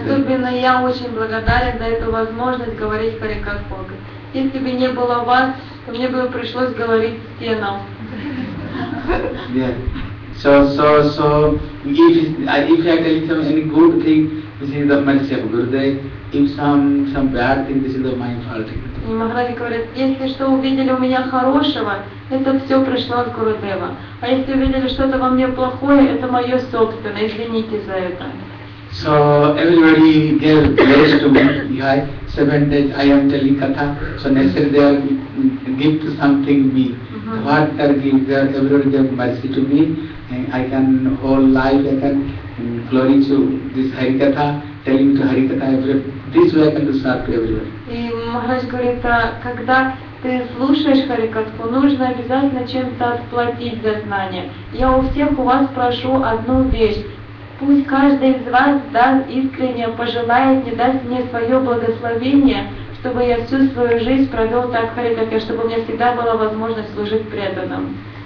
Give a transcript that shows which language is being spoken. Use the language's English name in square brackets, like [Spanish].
[Russian] Особенно я очень благодарен за эту возможность говорить Харикатху. Если бы не было вас, то мне бы пришлось говорить стенам. [English] Yeah. So if I tell you any good thing, this is the mercy of Gurudev. If some bad thing, this is the mind fault. [Russian] Махарадж говорит, если что увидели у меня хорошего, это все пришло от Гурудева. А если увидели что-то во мне плохое, это мое собственное. Извините за это. [English] So everybody gave grace to me. I 7 days I am telling katha. So next day they give to something me. What they give, everybody gave mercy to me. I can whole life I can glory to this Hari katha, telling to Hari katha. This way I can do serve to everybody. And [Russian] Maharaj говорит, когда ты слушаешь харикатху, нужно обязательно чем-то отплатить за знание. Я у всех у вас прошу одну вещь. Пусть каждый из вас даст искренне, пожелает мне, даст мне свое благословение, чтобы я всю свою жизнь провел так в харикатхе, чтобы у меня всегда была возможность служить преданным.